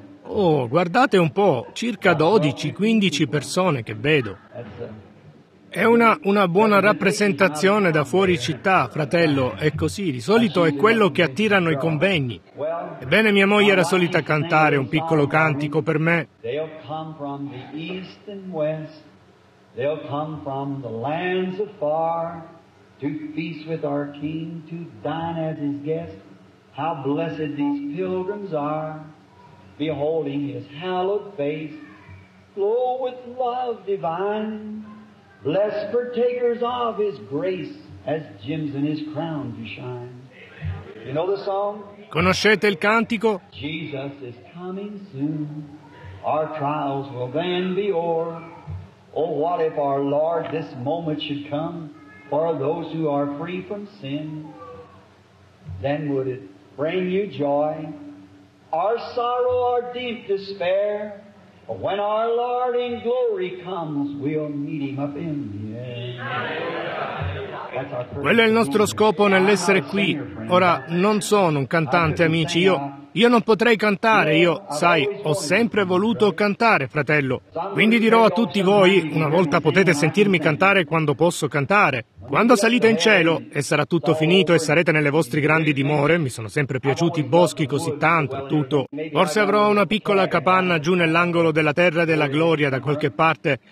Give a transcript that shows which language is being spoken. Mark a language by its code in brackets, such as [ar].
[it] Oh, guardate un po', circa 12-15 persone che vedo. È una buona rappresentazione da fuori città, fratello, è così, di solito è quello che attirano i convegni. Ebbene, mia moglie era solita cantare un piccolo cantico per me. [en] They'll come from the east and west, they'll come from the lands afar. to feast with our king, to dine as his guest. How blessed these pilgrims are, beholding his hallowed face, glow with love divine. Blessed partakers of his grace, as gems in his crown do shine. You know the song? [it] Conoscete il cantico? [en] Jesus is coming soon. Our trials will then be o'er. Oh, what if our Lord this moment should come for those who are free from sin? Then would it bring you joy, our sorrow, our deep despair? But when our Lord in glory comes, we'll meet him up in the air. [it] Quello è il nostro scopo nell'essere qui. Ora, non sono un cantante, amici. Io non potrei cantare, io, sai, ho sempre voluto cantare, fratello. Quindi dirò a tutti voi, una volta potete sentirmi cantare quando posso cantare. Quando salite in cielo, e sarà tutto finito e sarete nelle vostre grandi dimore, mi sono sempre piaciuti i boschi così tanto e tutto, forse avrò una piccola capanna giù nell'angolo della terra della gloria da qualche parte.